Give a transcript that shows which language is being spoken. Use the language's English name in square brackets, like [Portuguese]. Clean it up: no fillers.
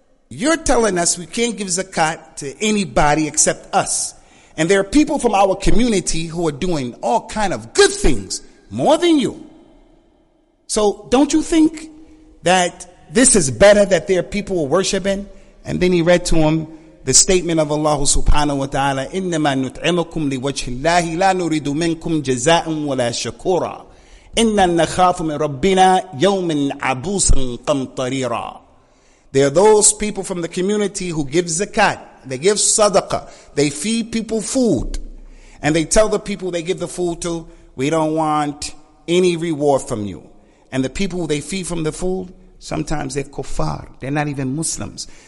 [English] You're telling us we can't give zakat to anybody except us. And there are people from our community who are doing all kind of good things more than you. So don't you think that this is better that there are people worshiping? And then he read to him the statement of Allah subhanahu wa ta'ala, [Arabic] إِنَّمَا نُطْعِمُكُمْ لِوَجْهِ اللَّهِ لَا نُرِدُ مِنْكُمْ جَزَاءً وَلَا شَكُورًا إِنَّا نَخَافُ مِنْ رَبِّنَا يَوْمٍ عَبُوسًا قَمْطَرِيرًا. [English] There are those people from the community who give zakat, they give sadaqah, they feed people food, and they tell the people they give the food to, we don't want any reward from you. And the people they feed from the food, sometimes they're kuffar, they're not even Muslims.